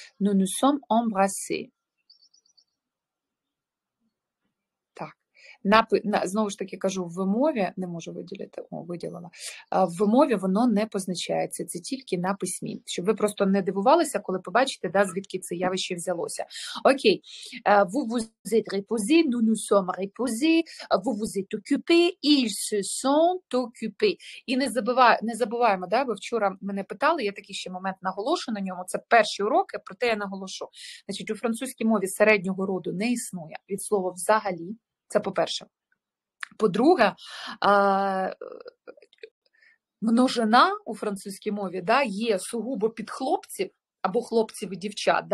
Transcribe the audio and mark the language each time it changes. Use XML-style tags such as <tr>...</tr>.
<uk>Ну сьом омбраси. Знову ж таки кажу, в вимові, не можу виділити, о, виділила, в вимові воно не позначається, це тільки на письмі. Щоб ви просто не дивувалися, коли побачите, да, звідки це явище взялося.</uk> <fr>Окей, vous êtes reposé, nous nous sommes reposés, vous êtes occupé, ils se sont occupé.</fr> <uk>І не забуваємо, да, ви вчора мене питали, я такий ще момент наголошу на ньому, це перші уроки, проте я наголошу. Значить, у французькій мові середнього роду не існує від слова «взагалі». Це по-перше. По-друге, множина у французькій мові, да, є сугубо під хлопців або хлопців і дівчат.</uk>